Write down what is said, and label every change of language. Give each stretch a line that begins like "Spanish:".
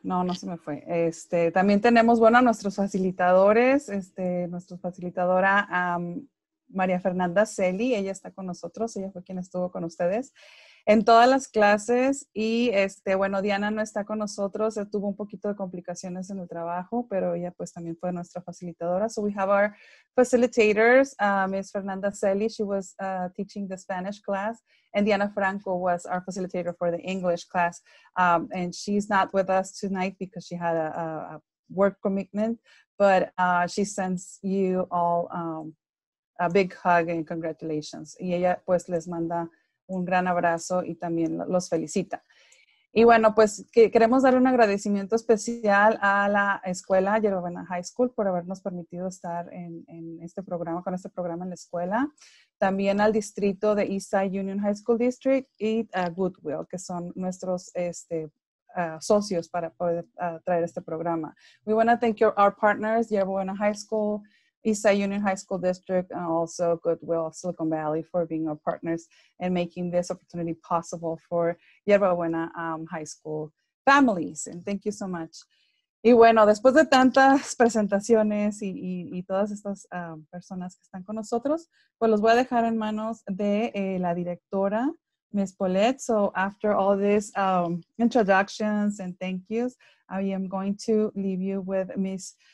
Spanish: No se me fue. También tenemos, bueno, a nuestros facilitadores, nuestra facilitadora, María Fernanda Celi, ella está con nosotros, ella fue quien estuvo con ustedes en todas las clases. Y bueno, Diana no está con nosotros, tuvo un poquito de complicaciones en el trabajo, pero ella pues también fue nuestra facilitadora.
English: So we have our facilitators, Ms. Fernanda Celi, she was teaching the Spanish class, and Diana Franco was our facilitator for the English class, and she's not with us tonight because she had a work commitment, but she sends you all a big hug and congratulations.
Spanish: Y ella pues les manda un gran abrazo y también los felicita. Y bueno, pues queremos dar un agradecimiento especial a la escuela Yerba Buena High School por habernos permitido estar en este programa, con este programa en la escuela. También al distrito de Eastside Union High School District y a Goodwill, que son nuestros socios para poder traer este programa.
English: We want to thank our partners, Yerba Buena High School, Eastside Union High School District, and also Goodwill of Silicon Valley for being our partners and making this opportunity possible for Yerba Buena High School families. And thank you so much.
Spanish: Y bueno, después de tantas presentaciones y todas estas personas que están con nosotros, pues los voy a dejar en manos de la directora, Ms. Paulette.
English: So after all these introductions and thank yous, I am going to leave you with Ms.